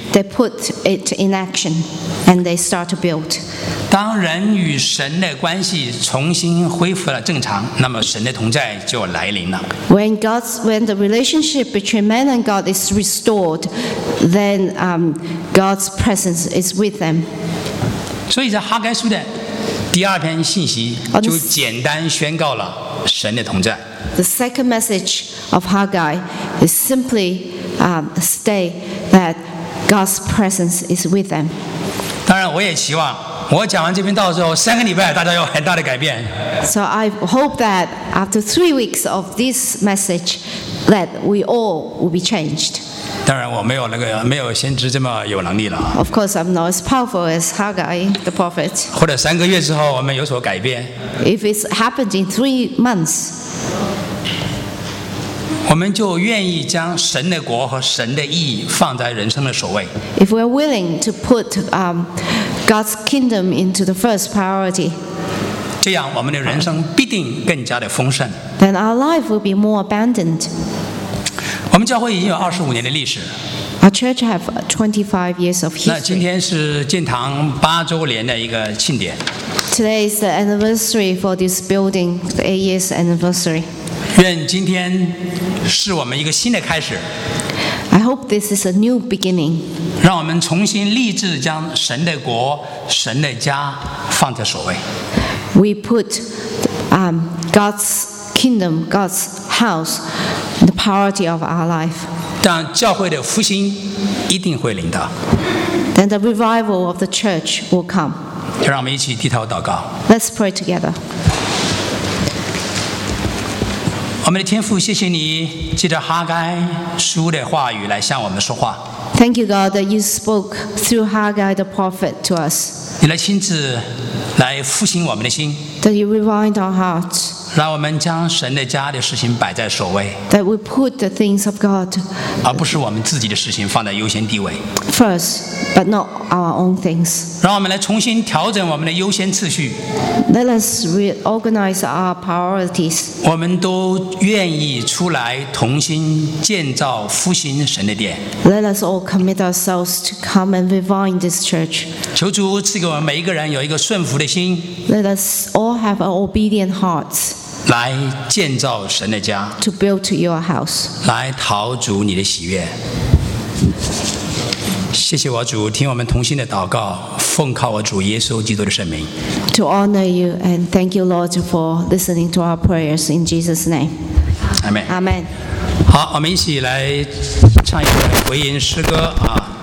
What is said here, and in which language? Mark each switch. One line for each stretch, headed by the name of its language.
English: They put it in action, and they start to build.
Chinese: 当人与神的关系重新恢复了正常，那么神的同在就来临了。
English: When the relationship between man and God is restored, then God's presence is with them.
Chinese: 所以在哈该书的第二篇信息就简单宣告了神的同在。
English: The second message of Haggai is simply state that God's presence is with them.
Chinese: 当然，我也期望我讲完这篇道之后，三个礼拜大家有很大的改变。
English: So I hope that after 3 weeks of this message, that we all will be changed.
Chinese: 当然我没有那个没有先知这么有能力了。
English: Of course, I'm not as powerful as Haggai, the prophet.
Chinese: 或者三个月之后我们有所改变。
English: If it's happened in 3 months,
Chinese: 我们就愿意将神的国和神的义放在人生的首位。
English: If we're willing to put God's kingdom into the first priority.
Chinese: 这样我们的人生必定更加的丰盛。
English: Then our life will be more abundant.
Chinese: 我们教会已经有25年的历史。
English: Our church have 25 years of history.
Chinese: 那今天是建堂8周年的一个庆典。
English: Today is the anniversary for this building, the 8 years anniversary.
Chinese: 愿今天是我们一个新的开始。
English: I hope this is a new beginning.
Chinese: 让我们重新立志将神的国、神的家放在首位。
English: We put God's kingdom, God's house, the priority of our life.
Chinese: 但教会的复兴一定会临到。
English: Then the revival of the church will come.
Chinese: 就让我们一起低头祷告。
English: Let's pray together.
Chinese: 我们的天父，谢谢你借着哈该书的话语来向我们说话。
English: Thank you, God, that you spoke through Haggai the prophet to us.
Chinese: 你来亲自来复兴我们的心。
English: That you revive our hearts.
Chinese: 让我们将神的家的事情摆在首位。
English: That we put the things of God.
Chinese: 而不是我们自己的事情放在优先地位。
English: First, but not our own things.
Chinese: 让我们来重新调整我们的优先次序。
English: Let us reorganize our priorities.
Chinese: 我们都愿意出来同心建造复兴神的殿。
English: Let us all commit ourselves to come and revive this church.
Chinese: 求主赐给我们每一个人有一个顺服的心。
English: Let us all have an obedient heart.
Chinese: 来建造神的家。
English: To build your house.
Chinese: 来讨主你的喜悦。谢谢我主，听我们同心的祷告，奉靠我主耶稣基督的圣名。
English: To honor you and thank you, Lord, for listening to our prayers in Jesus' name. Amen. Amen.
Chinese: 好，我们一起来唱一首回应诗歌啊。